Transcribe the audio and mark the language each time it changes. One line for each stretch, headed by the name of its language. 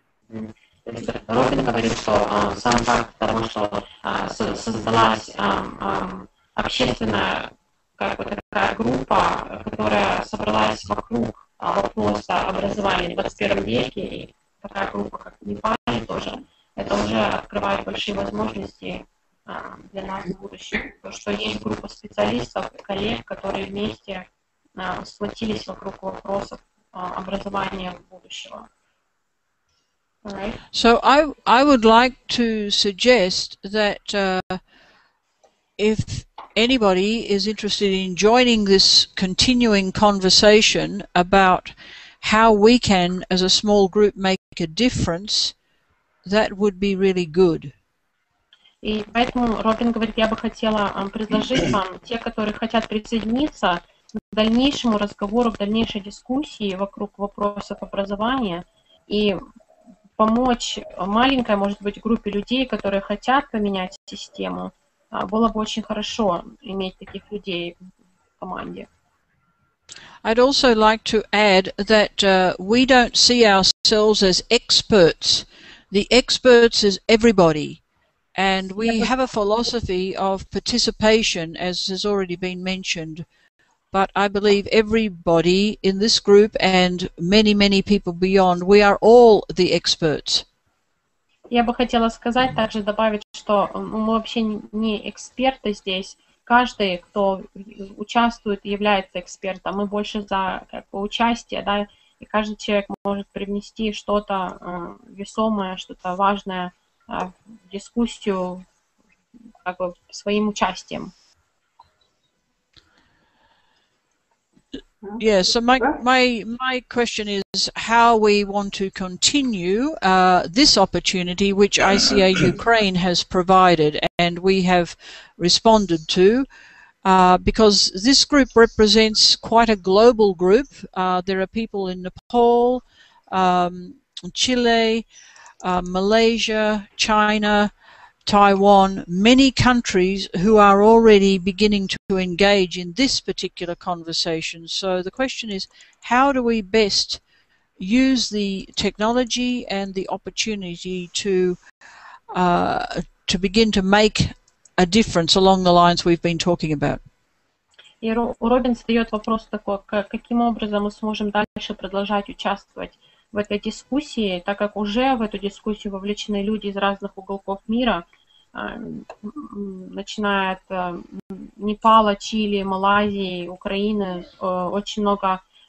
Russian: Робин говорит, что сам факт того, что создалась общественная как бы такая группа, которая собралась вокруг вопроса образования в 21 веке, и такая группа, как Непаль тоже, это уже открывает большие возможности для нас в будущем. То, что есть группа специалистов, коллег, которые вместе сплотились вокруг вопросов образования будущего.
English: Right. So I would like to suggest that if anybody is interested in joining this continuing conversation about how we can, as a small group, make a difference, that would be really good. И поэтому, Робин говорит, я бы хотела предложить вам, те, которые хотят присоединиться, к дальнейшему разговору, к дальнейшей дискуссии вокруг вопросов образования и помочь маленькой, может быть, группе людей, которые хотят поменять систему, было бы очень хорошо иметь таких людей в команде. I'd also like to add that we don't see ourselves as experts. The experts is everybody. And we have a philosophy of participation, as has already been mentioned. But I believe everybody in this group and many, many people beyond, we are all the experts.
Russian: Я бы хотела сказать, также добавить, что мы вообще не эксперты здесь. Каждый, кто участвует, является экспертом. Мы больше за как бы, участие, да, и каждый человек может привнести что-то весомое, что-то важное в дискуссию как бы, своим участием.
English: Yeah, so my question is how we want to continue this opportunity which ICA Ukraine has provided and we have responded to because this group represents quite a global group. There are people in Nepal, Chile, Malaysia, China, Taiwan, many countries who are already beginning to engage in this particular conversation. So the question is, how do we best use the technology and the opportunity to begin to make a difference along the lines we've been talking about?
Russian: И Робин задает вопрос такой, каким образом мы сможем дальше продолжать участвовать в этой дискуссии, так как уже в эту дискуссию вовлечены люди из разных уголков мира, начиная от Непала, Чили, Малайзии, Украины, очень много